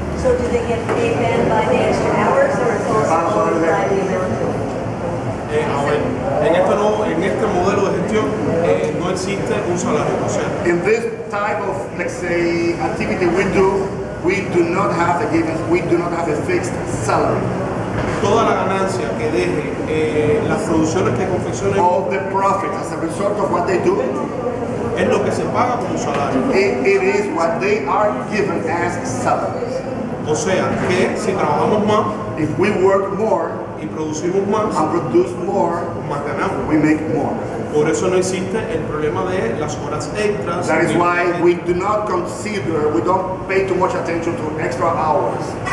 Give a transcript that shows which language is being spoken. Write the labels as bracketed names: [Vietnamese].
[English] So do they get paid then by the extra hours, or is it also by the In this type of, let's say, activity we do not have a fixed salary. [Spanish] Toda la ganancia que deje las producciones que confeccionen. [English] All the profit as a result of what they do. [Spanish] Es lo que se paga como salario. [English] It is what they are given as salary. [Spanish] O sea, que si trabajamos más. [English] If we work more. [Spanish] Y producimos más, [English] and produce more, [Spanish] más ganamos. [English] We make more. [Spanish] Por eso no existe el problema de las horas extras. [English] That is why we do not consider, we don't pay too much attention to extra hours.